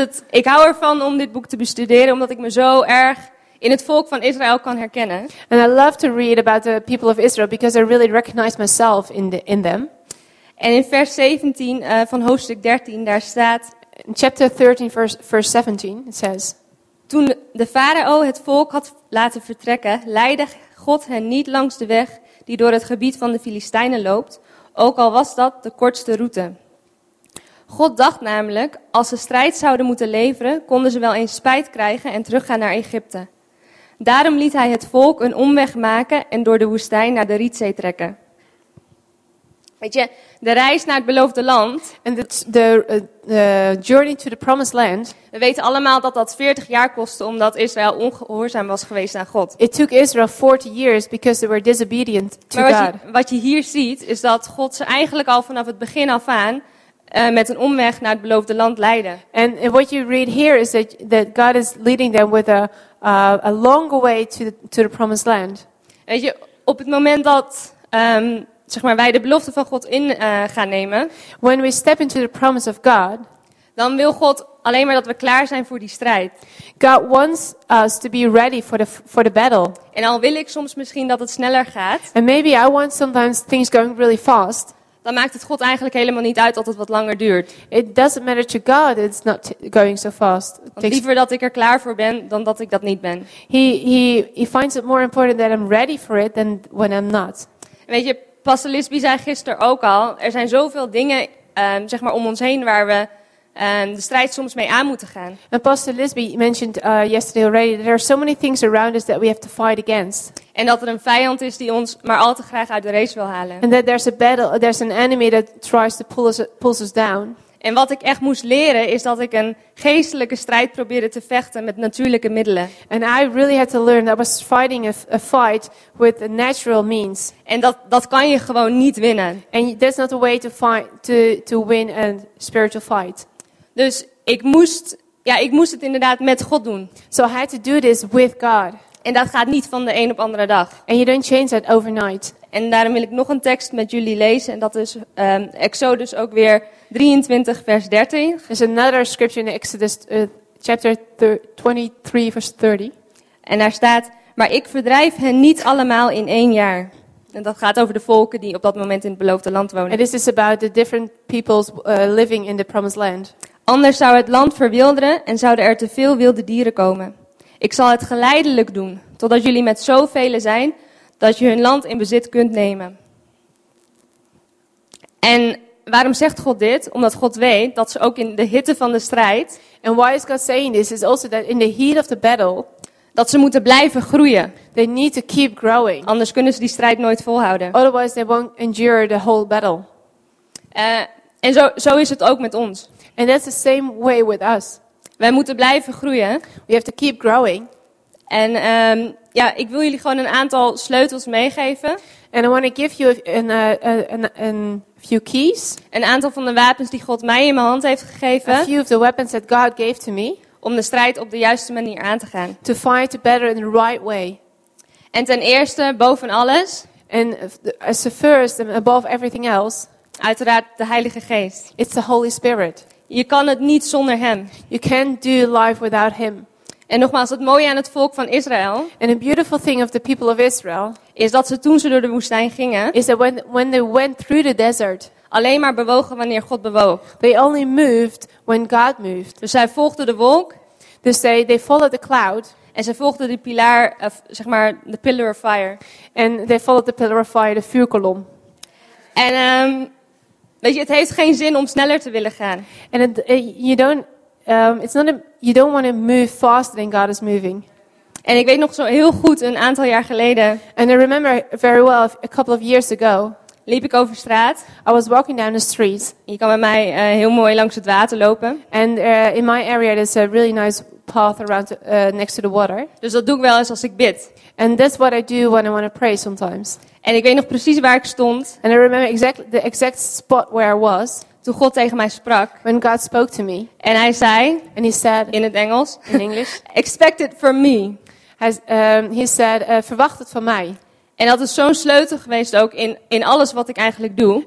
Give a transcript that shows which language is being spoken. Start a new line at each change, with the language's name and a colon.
Dutch: Ik hou ervan om dit boek te bestuderen, omdat ik me zo erg in het volk van Israël kan herkennen.
English: And I love to read about the people of Israel because I really recognize myself in them.
Dutch: En in vers 17 van hoofdstuk 13, daar staat.
English: In chapter 13, verse 17, it says.
Dutch: Toen de farao het volk had laten vertrekken, leidde God hen niet langs de weg die door het gebied van de Filistijnen loopt, ook al was dat de kortste route. God dacht namelijk, als ze strijd zouden moeten leveren, konden ze wel eens spijt krijgen en teruggaan naar Egypte. Daarom liet hij het volk een omweg maken en door de woestijn naar de Rietzee trekken. Weet je, de reis naar het beloofde land.
English: En the journey to the promised land.
Dutch: We weten allemaal dat dat 40 jaar kostte omdat Israël ongehoorzaam was geweest aan God.
English: It took Israel 40 years because they were disobedient to
Dutch: maar wat
English: God.
Dutch: Wat je hier ziet is dat God ze eigenlijk al vanaf het begin af aan met een omweg naar het beloofde land leidde.
English: And what you read here is that God is leading them with a longer way to the promised land.
Dutch: Weet je, op het moment dat zeg maar, wij de belofte van God in gaan nemen.
English: When we step into the promise of God,
Dutch: dan wil God alleen maar dat we klaar zijn voor die strijd.
English: God wants us to be ready for the battle.
Dutch: En al wil ik soms misschien dat het sneller gaat.
English: And maybe I want sometimes things going really fast.
Dutch: Dan maakt het God eigenlijk helemaal niet uit dat het wat langer duurt.
English: It doesn't matter to God, it's not going so fast.
Dutch: Want liever dat ik er klaar voor ben dan dat ik dat niet ben.
English: He finds it more important that I'm ready for it than when I'm not.
Dutch: Weet je, Pastor Lisby zei gisteren ook al, er zijn zoveel dingen zeg maar om ons heen waar we de strijd soms mee aan moeten gaan.
English: And Pastor Lisby mentioned yesterday already that there are so many things around us that we have to fight against.
Dutch: En dat er een vijand is die ons maar al te graag uit de race wil halen.
English: And that there's a battle, there's an enemy that tries to pull us down.
Dutch: En wat ik echt moest leren is dat ik een geestelijke strijd probeerde te vechten met natuurlijke middelen.
English: And I really had to learn that I was fighting a fight with a natural means.
Dutch: En dat kan je gewoon niet winnen.
English: And that's not the way to fight to win a spiritual fight.
Dutch: Dus ik moest het inderdaad met God doen.
English: So I had to do this with God.
Dutch: En dat gaat niet van de een op andere dag.
English: And you don't change that overnight.
Dutch: En daarom wil ik nog een tekst met jullie lezen. En dat is Exodus ook weer 23 vers 30.
English: There's another scripture in Exodus chapter 23 verse 30.
Dutch: En daar staat, maar ik verdrijf hen niet allemaal in één jaar. En dat gaat over de volken die op dat moment in het beloofde land wonen.
English: And this is about the different peoples living in the promised land.
Dutch: Anders zou het land verwilderen en zouden er te veel wilde dieren komen. Ik zal het geleidelijk doen, totdat jullie met zoveel zijn dat je hun land in bezit kunt nemen. En waarom zegt God dit? Omdat God weet dat ze ook in de hitte van de strijd.
English: And why is God saying this? Is also that in the heat of the battle.
Dutch: Dat ze moeten blijven groeien.
English: They need to keep growing.
Dutch: Anders kunnen ze die strijd nooit volhouden.
English: Otherwise they won't endure the whole battle.
Dutch: En zo is het ook met ons.
English: And that's the same way with us.
Dutch: Wij moeten blijven groeien.
English: We have to keep growing.
Dutch: En ik wil jullie gewoon een aantal sleutels meegeven.
English: And I want to give you a few keys.
Dutch: Een aantal van de wapens die God mij in mijn hand heeft gegeven.
English: A few of the weapons that God gave to me.
Dutch: Om de strijd op de juiste manier aan te gaan.
English: To fight the battle in the right way.
Dutch: En ten eerste, boven alles.
English: And as the first and above everything else.
Dutch: Uiteraard de Heilige Geest.
English: It's the Holy Spirit.
Dutch: Je kan het niet zonder hem.
English: You can't do life without him.
Dutch: En nogmaals, het mooie aan het volk van Israël.
English: And a beautiful thing of the people of Israel.
Dutch: Is dat ze toen ze door de woestijn gingen.
English: Is that when they went through the desert.
Dutch: Alleen maar bewogen wanneer God bewoog.
English: They only moved when God moved.
Dutch: Dus zij volgden de wolk.
English: Dus they followed the cloud.
Dutch: En ze volgden de pilaar, zeg maar,
English: the pillar of fire. And they followed the pillar of fire,
Dutch: de vuurkolom. En weet je, het heeft geen zin om sneller te willen gaan.
English: And you don't want to move faster than God is moving.
Dutch: En ik weet nog zo heel goed een aantal jaar geleden.
English: And I remember very well a couple of years ago.
Dutch: Liep ik over straat.
English: I was walking down the street.
Dutch: Je kan met mij heel mooi langs het water lopen.
English: And in my area there's a really nice path around next to the water.
Dutch: Dus dat doe ik wel eens als ik bid.
English: And that's what I do when I want to pray sometimes.
Dutch: En ik weet nog precies waar ik stond.
English: And I remember exactly the exact spot where I was.
Dutch: Toen God tegen mij sprak.
English: When God spoke to me.
Dutch: En hij zei.
English: And he said.
Dutch: In het Engels.
English: In English. Expect it from me. He said,
Dutch: verwacht het van mij. En dat is zo'n sleutel geweest ook in alles wat ik eigenlijk doe.